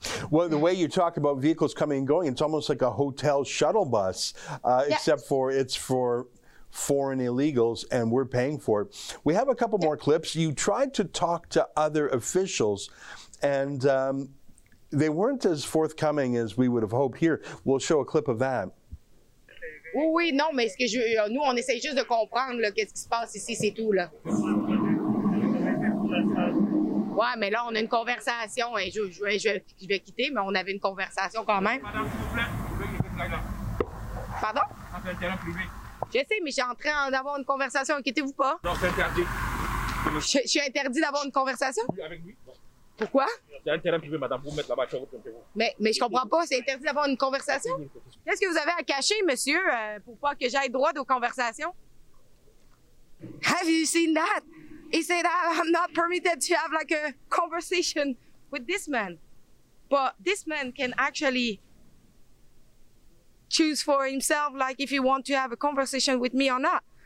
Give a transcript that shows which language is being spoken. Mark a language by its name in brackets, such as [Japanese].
[English] Well, the way you talk about vehicles coming and going, it's almost like a hotel shuttle bus, except for it's for foreign illegals, and we're paying for it. We have a couple more clips. You tried to talk to other officials, and they weren't as forthcoming as we would have hoped. Here, we'll show a clip of that. [French] Oui, oui, non, mais ce que je, nous, on essaie juste de comprendre là, qu'est-ce qui se passe ici, c'est tout là. Ouais, mais là, on a une conversation. Et je vais quitter, mais on avait une conversation quand même. Pardon? Je sais, mais j'ai en train d'avoir une conversation. Inquiétez-vous pas. Non, c'est interdit. Je suis interdit d'avoir une conversation? Avec lui. Pourquoi? C'est un terrain privé, madame. Vous mettez là-bas, je vais vous tromper. Mais je comprends pas. C'est interdit d'avoir une conversation? Qu'est-ce que vous avez à cacher, monsieur, pour pas que j'aille droit aux conversations? [English] Have you seen that? He said that I'm not permitted to have like a conversation with this man. But this man can actually choose for himself, like if he wants to have a conversation with me or not.